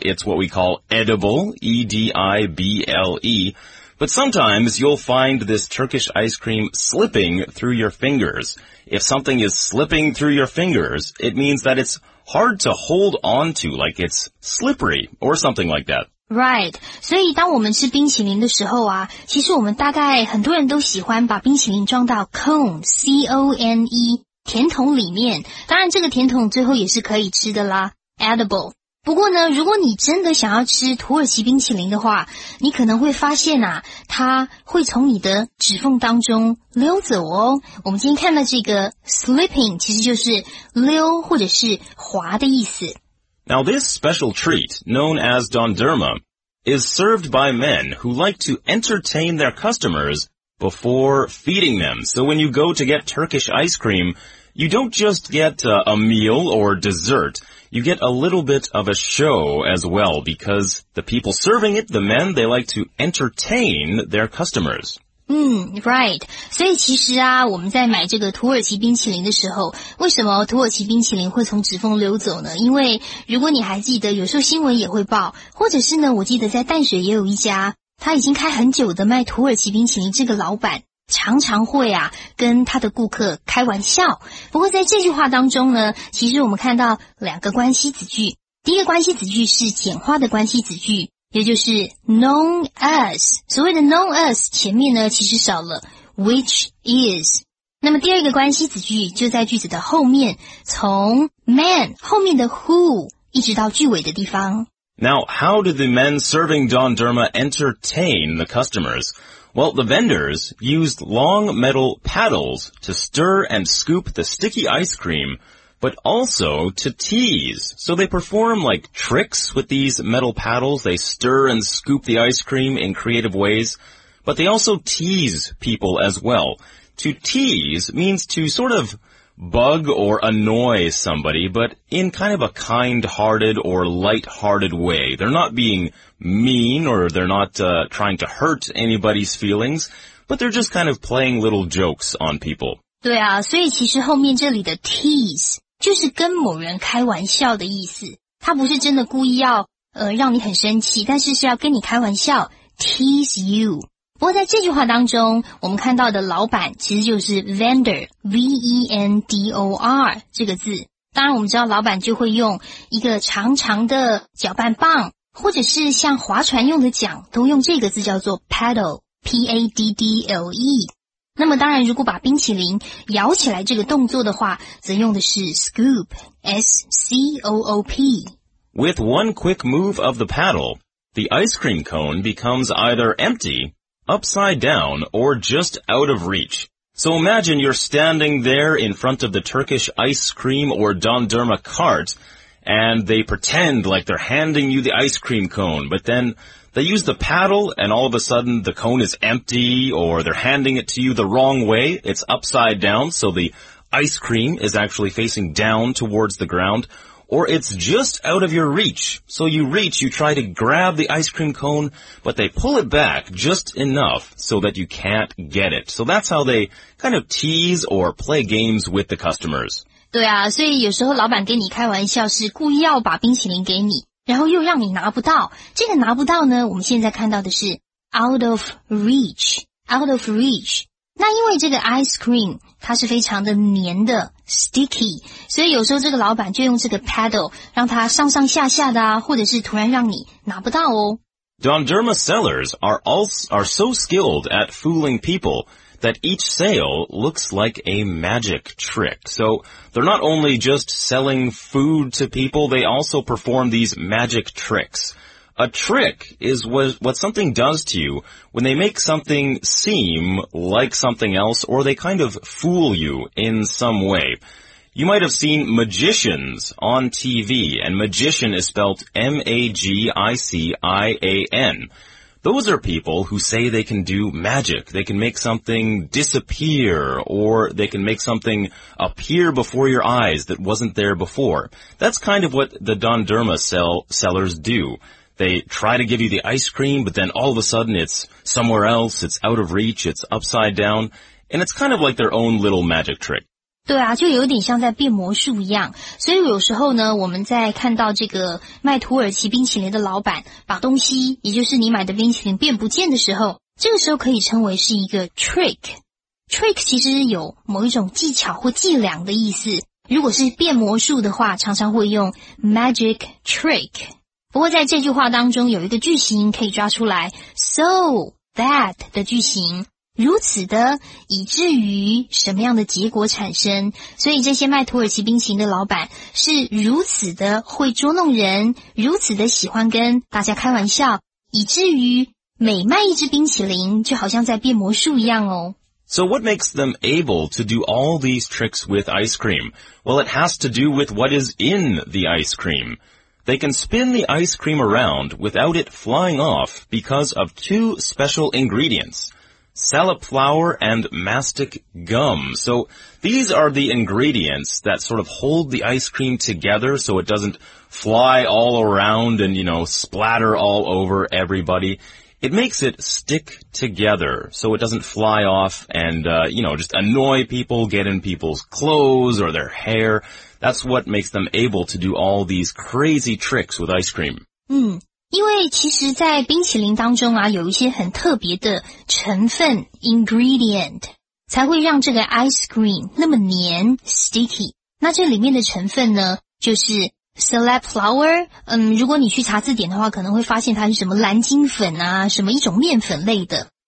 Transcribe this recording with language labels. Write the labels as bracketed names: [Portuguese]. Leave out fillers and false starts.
[English] It's what we call edible, E-D-I-B-L-E. But sometimes you'll find this Turkish ice cream slipping through your fingers. If something is slipping through your fingers, it means that it's hard to hold on to, like it's slippery or something like that. Right. [Chinese] 所以当我们吃冰淇淋的时候啊，其实我们大概很多人都喜欢把冰淇淋装到 cone, C-O-N-E, 甜筒里面。当然这个甜筒最后也是可以吃的啦 ,edible。不过呢，如果你真的想要吃土耳其冰淇淋的话，你可能会发现啊，它会从你的指缝当中溜走哦。我们今天看到这个 slipping, 其实就是溜或者是滑的意思。 [English] Now this special treat, known as dondurma, is served by men who like to entertain their customers before feeding them. So when you go to get Turkish ice cream, you don't just get a meal or dessert, you get a little bit of a show as well, because the people serving it, the men, they like to entertain their customers. Right. [Chinese] 所以其实啊，我们在买这个土耳其冰淇淋的时候，为什么土耳其冰淇淋会从指缝溜走呢？因为如果你还记得，有时候新闻也会报，或者是呢，我记得在淡水也有一家，他已经开很久的卖土耳其冰淇淋，这个老板常常会啊跟他的顾客开玩笑。不过在这句话当中呢，其实我们看到两个关系子句。第一个关系子句是简化的关系子句，也就是 [English] known as。 [Chinese] 所谓的 [English] known as [Chinese] 前面呢其实少了 [English] which is。 [Chinese] 那么第二个关系子句就在句子的后面，从 man 后面的 who 一直到句尾的地方。 [English] Now, how did the men serving Don Derma entertain the customers? Well, the vendors used long metal paddles to stir and scoop the sticky ice cream, but also to tease. So they perform like tricks with these metal paddles. They stir and scoop the ice cream in creative ways, but they also tease people as well. To tease means to sort of... bug or annoy somebody, but in kind of a kind-hearted or light-hearted way. They're not being mean or they're not, trying to hurt anybody's feelings, but they're just kind of playing little jokes on people. [Chinese] 对啊，所以其实后面这里的 tease 就是跟某人开玩笑的意思。他不是真的故意要，让你很生气，但是是要跟你开玩笑 , [English] tease you. [Chinese] 不过在这句话当中，我们看到的老板其实就是 vendor, V-E-N-D-O-R 这个字。当然我们知道老板就会用一个长长的搅拌棒，或者是像划船用的桨，都用这个字叫做 paddle, P-A-D-D-L-E。那么当然如果把冰淇淋摇起来这个动作的话，则用的是 scoop, S-C-O-O-P。 [English] With one quick move of the paddle, the ice cream cone becomes either emptyupside down or just out of reach. So imagine you're standing there in front of the Turkish ice cream or Don Derma cart, and they pretend like they're handing you the ice cream cone, but then they use the paddle and all of a sudden the cone is empty or they're handing it to you the wrong way. It's upside down, so the ice cream is actually facing down towards the ground, or it's just out of your reach. So you reach, you try to grab the ice cream cone, but they pull it back just enough so that you can't get it. So that's how they kind of tease or play games with the customers. [Chinese] 对啊，所以有时候老板跟你开玩笑是故意要把冰淇淋给你，然后又让你拿不到。这个拿不到呢，我们现在看到的是 [English] out of reach, out of reach。 [Chinese] 那因为这个 ice cream 它是非常的黏的 sticky， 所以有时候这个老板就用这个 paddle 让它上上下下的啊，或者是突然让你拿不到哦。 [English] Don Derma sellers are so skilled at fooling people that each sale looks like a magic trick. So they're not only just selling food to people, they also perform these magic tricks. A trick is what something does to you when they make something seem like something else, or they kind of fool you in some way. You might have seen magicians on TV, and magician is spelled M-A-G-I-C-I-A-N. Those are people who say they can do magic. They can make something disappear, or they can make something appear before your eyes that wasn't there before. That's kind of what the Don Derma sellers do. They try to give you the ice cream, but then all of a sudden it's somewhere else, it's out of reach, it's upside down, and it's kind of like their own little magic trick. [Chinese] 对啊，就有点像在变魔术一样。所以有时候呢，我们在看到这个卖土耳其冰淇淋的老板把东西，也就是你买的冰淇淋变不见的时候，这个时候可以称为是一个 trick。 Trick 其实有某一种技巧或伎俩的意思。如果是变魔术的话，常常会用 [English] magic trick。 [Chinese] 不过在这句话当中有一个句型可以抓出来 [English] so that [Chinese] 的句型，如此的以至于什么样的结果产生，所以这些卖土耳其冰淇淋的老板是如此的会捉弄人，如此的喜欢跟大家开玩笑，以至于每卖一只冰淇淋就好像在变魔术一样哦。 [English] So what makes them able to do all these tricks with ice cream? Well, it has to do with what is in the ice creamThey can spin the ice cream around without it flying off because of two special ingredients, salep flour and mastic gum. So these are the ingredients that sort of hold the ice cream together so it doesn't fly all around and, you know, splatter all over everybody. It makes it stick together so it doesn't fly off and, you know, just annoy people, get in people's clothes or their hair. That's what makes them able to do all these crazy tricks with ice cream. [Chinese] 因为其实在冰淇淋当中啊，有一些很特别的成分 ,ingredient, 才会让这个 ice cream 那么黏 ,sticky。那这里面的成分呢，就是 [English] Celeb flour, [Chinese] 如果你去查字典的话，可能会发现它是什么蓝金粉啊，什么一种面粉类的。